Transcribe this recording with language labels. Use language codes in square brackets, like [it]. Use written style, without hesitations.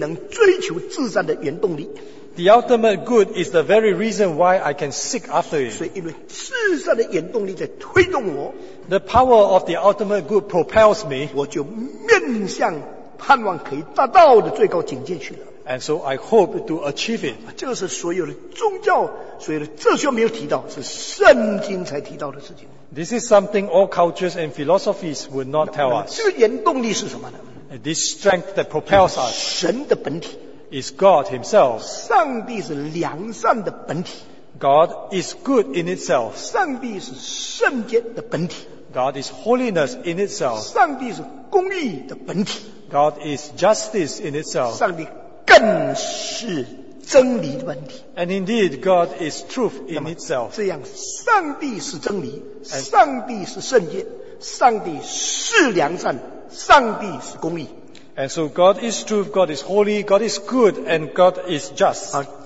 [zh] 这个至善也就是我之所以能追求至善的原动力。 [en] The ultimate good is the very reason why I can seek after it. [zh] 所以因为至善的原动力在推动我, [en] the power of the ultimate good propels me. [zh] 我就面向盼望可以达到的最高境界去了。 [en] And so I hope to achieve it. [zh] 这是所有的宗教、所有的哲学没有提到，是圣经才提到的事情。 [en] This is something all cultures and philosophies would not tell us. [zh] 这个原动力是什么呢? [en] This strength that propels us. [zh] 神的本体。 [en] Is God Himself. [zh] 上帝是良善的本体。 [en] God is good in itself. [zh] 上帝是圣洁的本体。 [en] God is holiness in itself. [zh] 上帝是公义的本体。 [en] God is justice in itself. [zh] 上帝更是真理的本体。 [en] And indeed, God is truth in itself. [zh] 这样，上帝是真理， 上帝是圣洁， 上帝是良善， 上帝是公义。 [en] And so God is truth, God is holy, God is good, and God is just.